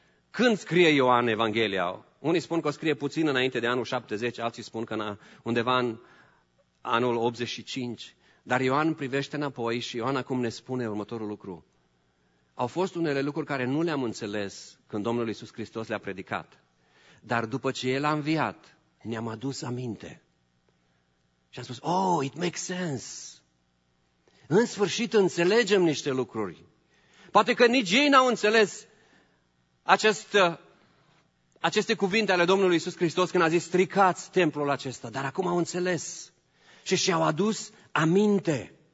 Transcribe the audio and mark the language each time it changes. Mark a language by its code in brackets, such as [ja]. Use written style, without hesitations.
[ro] Când scrie Ioan Evanghelia? Unii spun că o scrie puțin înainte de anul 70, alții spun că undeva în anul 85. Dar Ioan privește înapoi și Ioan acum ne spune următorul lucru. Au fost unele lucruri care nu le-am înțeles când Domnul Iisus Hristos le-a predicat. Dar după ce El a înviat, ne-am adus aminte. Și am spus, [en] oh, it makes sense. [ro] În sfârșit înțelegem niște lucruri. Poate că nici ei n-au înțeles aceste cuvinte ale Domnului Iisus Hristos când a zis, stricați templul acesta, dar acum au înțeles și și-au adus aminte.